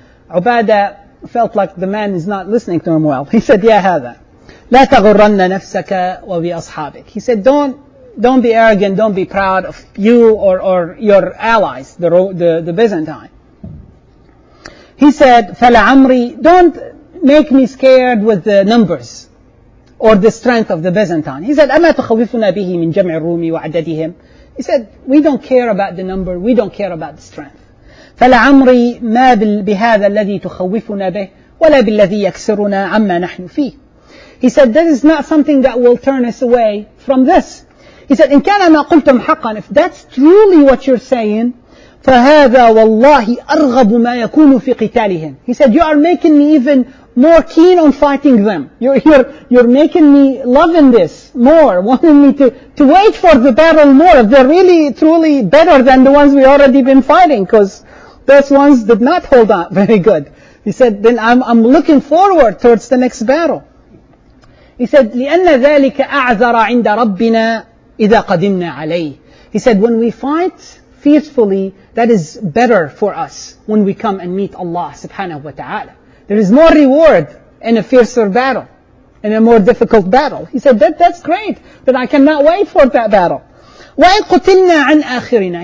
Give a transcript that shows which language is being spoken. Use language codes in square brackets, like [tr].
[en] Ubadah felt like the man is not listening to him well. He said, [ar] يَا هَذَا لَا تَغُرَّنَّ نَفْسَكَ وَبِأَصْحَابِكَ. [en] He said, don't be arrogant, don't be proud of you or your allies, the Byzantine. He said, فَلَعَمْرِي, don't make me scared with the numbers or the strength of the Byzantine. He said, [ar] أَمَا تَخَوِفُنَا بِهِ مِنْ جَمْعِ الرُّومِ وَعَدَدِهِمْ. [en] He said, we don't care about the number, we don't care about the strength. [ar] فَلَعَمْرِي مَا بِهَذَا الَّذِي تُخَوِّفُنَا بِهِ وَلَا بِالَّذِي يَكْسِرُنَا عَمَّا نَحْنُ فِيهِ. [en] He said, this is not something that will turn us away from this. He said, [ar] إِنْ كَانَ مَا قُلْتُمْ حَقًّا, [en] if that's truly what you're saying, [ar] فَهَذَا وَاللَّهِ أَرْغَبُ مَا يَكُونُ فِي قِتَالِهِمْ. [en] He said, you are making me even more keen on fighting them. You're making me loving this more, wanting me to wait for the battle more, if they're really, truly better than the ones we already been fighting, because those ones did not hold up very good. He said, then I'm looking forward towards the next battle. He said, [ar] لِأَنَّ ذَلِكَ أَعْذَرَ عِنْدَ رَبِّنَا إِذَا قَدِمْنَا عَلَيْهِ. [en] He said, when we fight fearfully, that is better for us when we come and meet Allah subhanahu wa ta'ala. There is more reward in a fiercer battle, in a more difficult battle. He said, that's great, but I cannot wait for that battle. [ar] وَإِنْ قُتِلْنَا عَنْ آخِرِنَا.